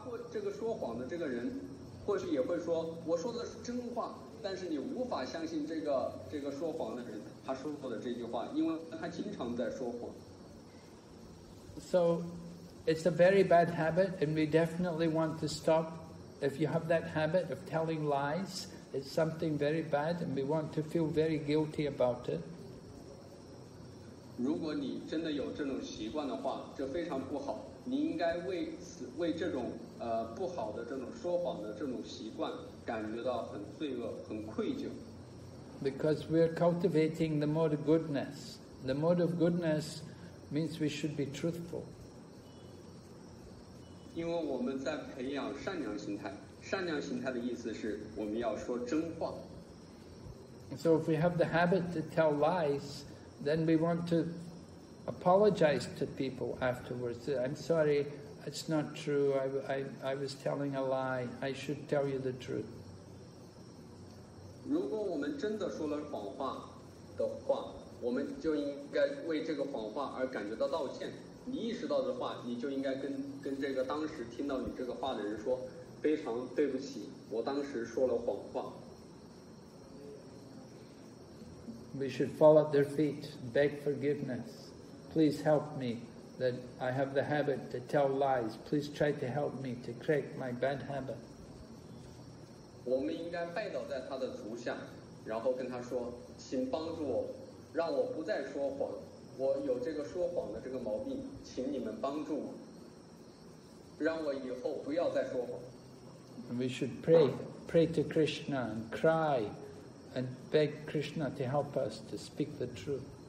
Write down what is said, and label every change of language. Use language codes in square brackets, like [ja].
[zh] 这个说谎的这个人，或许也会说我说的是真话，但是你无法相信这个说谎的人他说过的这句话，因为他经常在说谎。 [en] So, it's a very bad habit, and we definitely want to stop. If you have that habit of telling lies, it's something very bad, and we want to feel very guilty about it. [zh] 如果你真的有这种习惯的话，这非常不好。你应该为这种不好的这种说谎的这种习惯感觉到很罪恶、很愧疚。 [en] Because we're cultivating the mode of goodness. The mode of goodness means we should be truthful. [zh] 因为我们在培养善良心态，善良心态的意思是我们要说真话。 [en] So if we have the habit to tell lies, then we want to apologize to people afterwards. I'm sorry, it's not true, I was telling a lie, I should tell you the truth. [zh] 如果我们真的说了谎话的话，我们就应该为这个谎话而感觉到道歉。你意识到的话，你就应该跟这个当时听到你这个话的人说，非常对不起，我当时说了谎话。 [en] We should fall at their feet, beg forgiveness. Please help me, that I have the habit to tell lies. Please try to help me to correct my bad habit. [zh] 我们应该拜倒在他的足下，然后跟他说，请帮助我，让我不再说谎，我有这个说谎的这个毛病，请你们帮助我，让我以后不要再说谎。 [en] We should pray to Krishna and cry and beg Krishna to help us to speak the truth.